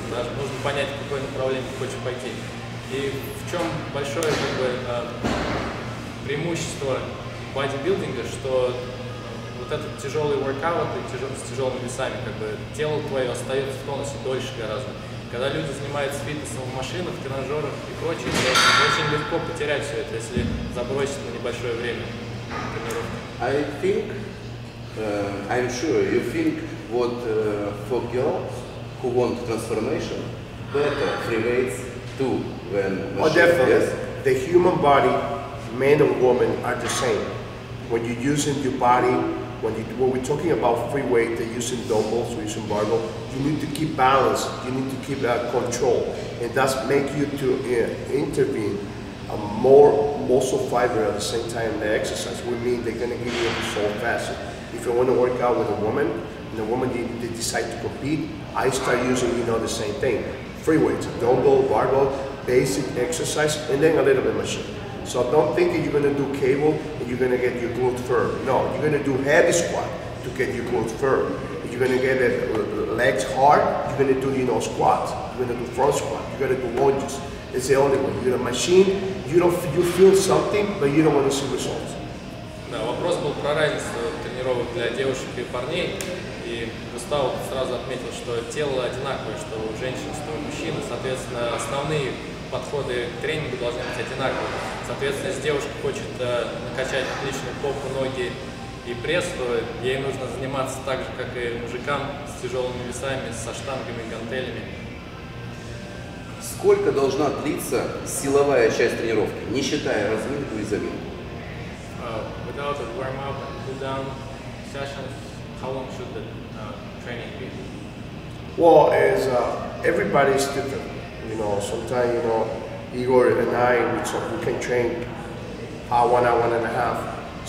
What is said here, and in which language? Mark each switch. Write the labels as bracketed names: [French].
[Russian] Даже нужно понять, в какое направление ты хочешь пойти. И в чем большое как бы, преимущество бодибилдинга, что вот этот тяжелый воркаут с тяжелыми весами, как бы тело твое остается в тонусе дольше гораздо. Когда люди занимаются фитнесом в машинах, тренажерах и прочее, то очень легко потерять все это, если забросить на небольшое время тренировки. [English] I think, I'm sure you think what for girls who want transformation, better free weights too when machine. Oh, definitely. Yes. The human body, man and woman, are the same. When you're using your body, when we're talking about free weight, they're using dumbbells, we're using barbell, you need to keep balance, you need to keep control. And that's make you to intervene. A more muscle fiber at the same time the exercise would mean they're gonna give you a result faster. If you wanna work out with a woman, and the woman they decide to compete, I start using, you know, the same thing. Free weights, dumbbell, barbell, basic exercise, and then a little bit machine. So don't think that you're gonna do cable and you're gonna get your glute firm. No, you're gonna do heavy squat to get your glute firm. You're gonna get legs hard, you're gonna do, you know, squats. You're gonna do front squat, you're gonna do lunges. It's the only one. You're a machine, you feel something, but you don't want to see results. [Russian] Да, вопрос был про разницу тренировок для девушек и парней. И Густав сразу отметил, что тело одинаковое, что у женщин, что у мужчин. Соответственно, основные подходы к тренингу должны быть одинаковые. Соответственно, если девушка хочет накачать личную попу, ноги и пресс, то ей нужно заниматься так же, как и мужикам, с тяжелыми весами, со штангами, гантелями. Сколько должна длиться силовая часть тренировки, не считая разминку и заминку? [English] Without a warm-up and cool-down sessions, how long should the training be? Well, as everybody is different, you know, sometimes, you know, Igor and I, we can train 1 hour, 1.5 hours.